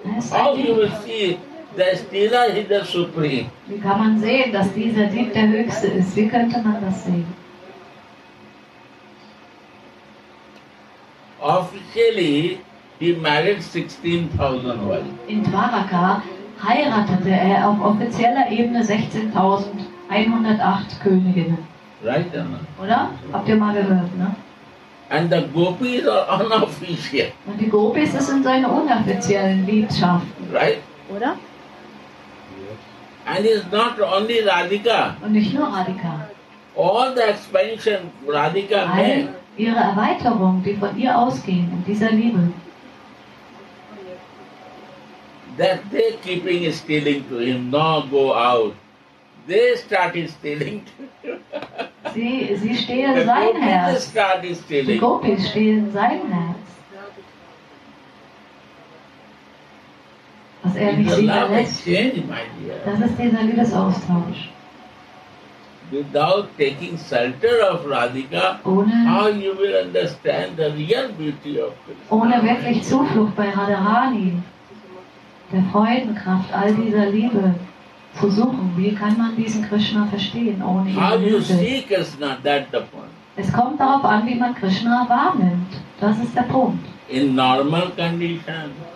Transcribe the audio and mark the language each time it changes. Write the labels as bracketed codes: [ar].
[en] How you will see the stealer is the supreme. [de] Wie kann man sehen, dass dieser Dieb der Höchste ist? Wie könnte man das sehen? [en] Officially, he married 16,000 wives. [de] In Dwaraka heiratete er auf offizieller Ebene 16.108 Königinnen. [en] Right, [de] oder? Habt ihr mal gehört, ne? [en] And the Gopis are unofficial. [de] Und die Gopis, das sind seine unoffiziellen Liebschaften. [en] Right? [de] Oder? [en] And it's not only Radhika. [de] Und nicht nur Radhika. [en] All the expansion Radhika made. [de] Ihre Erweiterung, die von ihr ausgehen, in dieser Liebe. [en] That they keeping stealing to him, no go out. They started stealing to him. [de] Sie stehlen sein Herz. [en] They started stealing. [de] Die Gopis stehlen sein Herz. Was er nicht sieht, das ist dieser Liebesaustausch. [en] Without taking shelter of Radhika, [de] ohne, [en] how you will understand the real beauty of [de] ohne wirklich Zuflucht bei Radharani, der Freudenkraft, all dieser Liebe zu suchen, wie kann man diesen Krishna verstehen ohne ihn? [en] How you see Krishna, that's the point. [de] Es kommt darauf an, wie man Krishna wahrnimmt. Das ist der Punkt. [en] In normal condition.